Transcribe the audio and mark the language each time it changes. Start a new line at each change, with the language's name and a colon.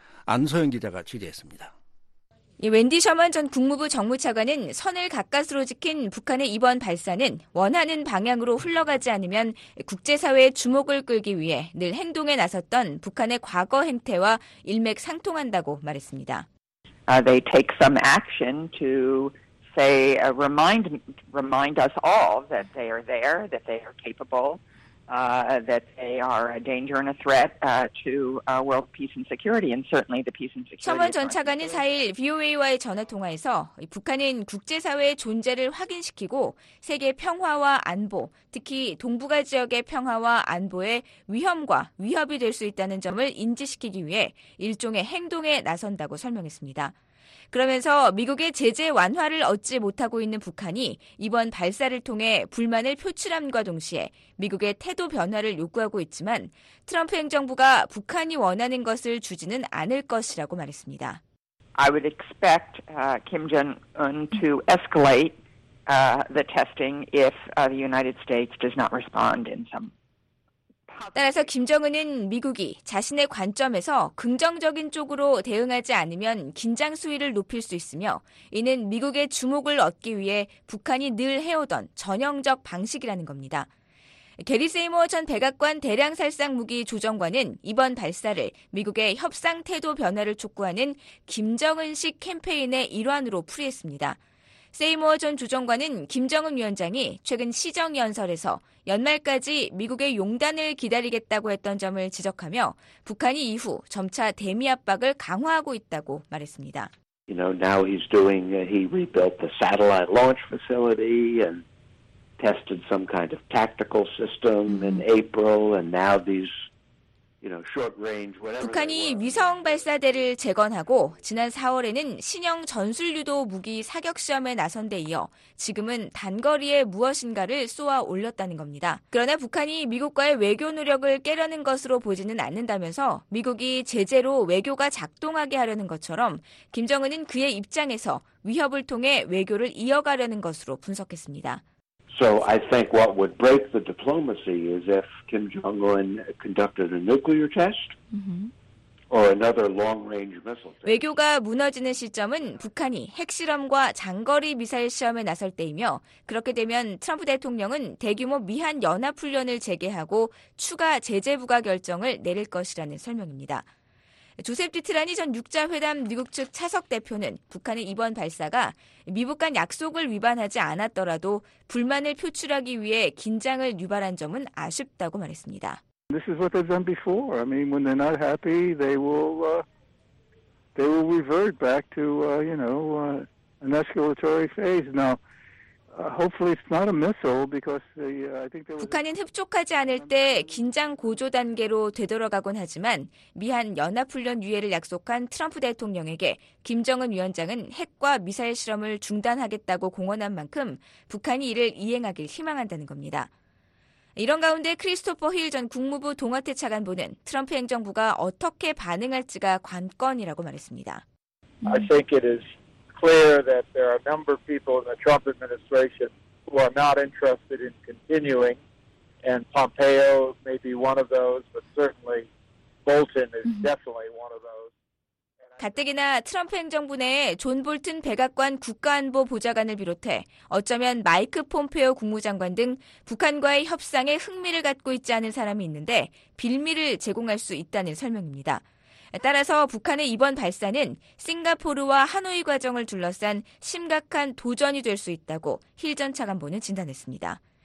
Korean: 안소영 기자가 취재했습니다. 웬디 셔먼 전 국무부 정무차관은 선을 가까스로 지킨 북한의 이번 발사는 원하는 방향으로 흘러가지 않으면 국제사회의 주목을 끌기 위해 늘 행동에 나섰던 북한의 과거 행태와 일맥상통한다고 말했습니다.
English: They take some action to say remind us all that they are there, that they are capable, that they are a danger and a threat to world peace and security, and certainly the peace and security.
Korean: 셔먼 전 차관은 4일 VOA와의 전화 통화에서 북한은 국제사회의 존재를 확인시키고 세계 평화와 안보, 특히 동북아 지역의 평화와 안보에 위험과 위협이 될 수 있다는 점을 인지시키기 위해 일종의 행동에 나선다고 설명했습니다. 그러면서 미국의 제재 완화를 얻지 못하고 있는 북한이 이번 발사를 통해 불만을 표출함과 동시에 미국의 태도 변화를 요구하고 있지만 트럼프 행정부가 북한이 원하는 것을 주지는 않을 것이라고 말했습니다.
English: I would expect Kim Jong-un to escalate the testing if the United States does not respond in some.
Korean: 따라서 김정은은 미국이 자신의 관점에서 긍정적인 쪽으로 대응하지 않으면 긴장 수위를 높일 수 있으며 이는 미국의 주목을 얻기 위해 북한이 늘 해오던 전형적 방식이라는 겁니다. 게리 세이머 전 백악관 대량살상무기 조정관은 이번 발사를 미국의 협상 태도 변화를 촉구하는 김정은식 캠페인의 일환으로 풀이했습니다. 세이머 전 조정관은 김정은 위원장이 최근 시정연설에서 연말까지 미국의 용단을 기다리겠다고 했던 점을 지적하며 북한이 이후 점차 대미 압박을 강화하고 있다고 말했습니다.
English: You know, now he's doing, he rebuilt the satellite launch facility and tested some kind of tactical system in April and now these
Korean: 북한이 위성 발사대를 재건하고 지난 4월에는 신형 전술 유도 무기 사격 시험에 나선 데 이어 지금은 단거리에 무엇인가를 쏘아 올렸다는 겁니다. 그러나 북한이 미국과의 외교 노력을 깨려는 것으로 보지는 않는다면서 미국이 제재로 외교가 작동하게 하려는 것처럼 김정은은 그의 입장에서 위협을 통해 외교를 이어가려는 것으로 분석했습니다.
English: So I think what would break the diplomacy is if Kim Jong-un conducted a nuclear test or another long-range missile test.
Korean: 외교가 무너지는 시점은 북한이 핵실험과 장거리 미사일 시험에 나설 때이며 그렇게 되면 트럼프 대통령은 대규모 미한 연합훈련을 재개하고 추가 제재 부과 결정을 내릴 것이라는 설명입니다. 조셉 디트라니 전 6자회담 미국 측 차석 대표는 북한의 이번 발사가 미국 간 약속을 위반하지 않았더라도 불만을 표출하기 위해 긴장을 유발한 점은 아쉽다고 말했습니다.
English: This is what they've done before. I mean, when they're not happy, they will revert back to, an escalatory phase. Now, hopefully it's not a missile because I think there was
Korean: 북한은 흡족하지 않을 때 긴장 고조 단계로 되돌아가곤 하지만 미한 연합 훈련 유예를 약속한 트럼프 대통령에게 김정은 위원장은 핵과 미사일 실험을 중단하겠다고 공언한 만큼 북한이 이를 이행하길 희망한다는 겁니다. 이런 가운데 크리스토퍼 힐 전 국무부 동아태 차관보는 트럼프 행정부가 어떻게 반응할지가 관건이라고 말했습니다.
English: I think it is clear that there are a number of people in the Trump administration who are not interested in continuing, and Pompeo may be one of those, but certainly Bolton is definitely one of those.
Korean: 가뜩이나 트럼프 행정부 내에 존 볼튼 백악관 국가안보 보좌관을 비롯해 어쩌면 마이크 폼페오 국무장관 등 북한과의 협상에 흥미를 갖고 있지 않은 사람이 있는데 빌미를 제공할 수 있다는 설명입니다. 따라서 북한의 이번 발사는 싱가포르와 하노이 과정을 둘러싼 심각한 도전이 될 수 있다고 힐 전 차관보는 진단했습니다.